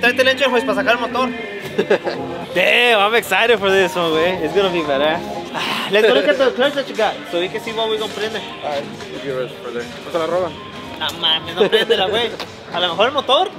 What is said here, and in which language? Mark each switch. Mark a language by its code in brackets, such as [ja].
[es] Trae el engine, pues, para sacar el motor. [en] Damn, I'm excited for this one, man. It's gonna be badass. Let's go look at the clutch that you got, so we can see what we're gonna put in there. Alright, give it for there. [es] ¿Cómo se la roban? Ah, mames, no prende la, güey. A lo mejor el motor.